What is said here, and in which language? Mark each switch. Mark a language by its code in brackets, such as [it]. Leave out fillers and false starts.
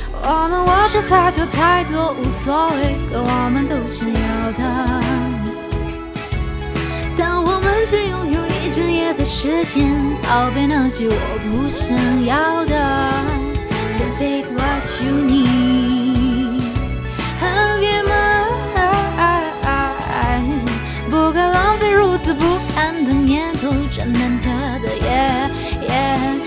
[zh] 我们握着太多太多无所谓，可我们都想要的，但我们却拥有一整夜的时间，告别那些我不想要的。 [en] So take what you need, I'll give mine. [zh] 不该浪费如此不安的念头，这难得的夜。